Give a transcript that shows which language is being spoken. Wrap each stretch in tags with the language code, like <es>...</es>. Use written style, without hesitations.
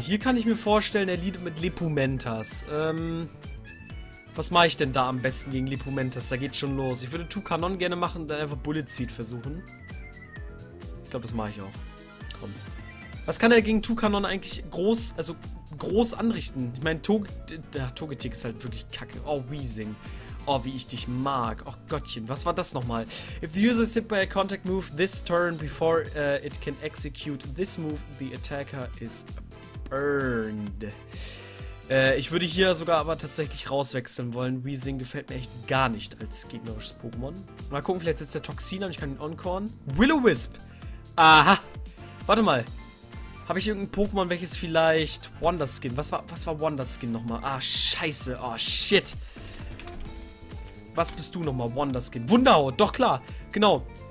<de>Hier kann ich mir vorstellen, er liegt mit Lepumentas. Was mache ich denn da am besten gegen Lepumentas? Da geht schon los. Ich würde Tukanon gerne machen und dann einfach Bullet Seed versuchen. Ich glaube, das mache ich auch. Komm. Was kann er gegen Tukanon eigentlich groß anrichten? Ich meine, Togetic ist halt wirklich kacke. Oh, Weezing. Oh, wie ich dich mag. Oh Gottchen, was war das nochmal?</de> <en>If the user is hit by a contact move this turn before it can execute this move, the attacker is burned.</en> <de>Ich würde hier sogar aber tatsächlich rauswechseln wollen. Weezing gefällt mir echt gar nicht als gegnerisches Pokémon. Mal gucken, vielleicht sitzt der Toxin an und ich kann ihn oncorn. Will-O-Wisp! Aha! Warte mal. Habe ich irgendein Pokémon, welches vielleicht Wonderskin? Was war Wonderskin nochmal? Ah, scheiße.</de> <en>Oh, shit.</en> <de>Was bist du nochmal? Wonderskin. Wunderhaut. Doch, klar. Genau.</de>